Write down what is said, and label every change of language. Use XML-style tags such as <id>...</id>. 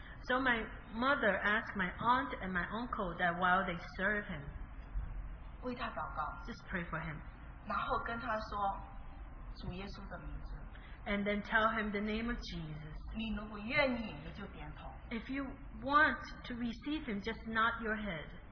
<en>so my mother asked my aunt and my uncle that while they serve him,</en> <zh>为他祷告,</zh> <en>just pray for him.</en> <zh>然后跟他说, 主耶稣的名字,</zh> <en>and then tell him the name of Jesus.</en> <zh>你如果愿意,</zh> <en>if you want to receive him, just nod your head.</en>